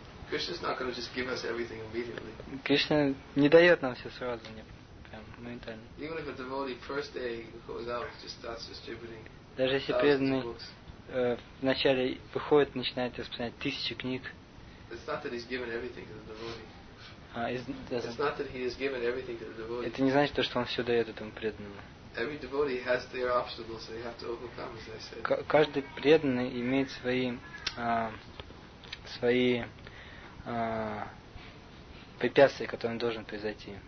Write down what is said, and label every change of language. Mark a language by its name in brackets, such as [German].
[English] Krishna's not going to just give us everything immediately. [Russian] Кришна не дает нам все сразу, не прям моментально. [English] Even if a devotee first day goes out, just starts distributing. [Russian] Даже если преданный вначале выходит, начинает распространять тысячи книг. [English] It's not that he's given everything to the devotee. It's not that he has given everything to the devotee. [Russian] Это не значит то, что он все дает этому преданному. [English] Every devotee has their obstacles they have to overcome, as I said. [Russian] Каждый преданный имеет свои препятствия, которые он должен произойти.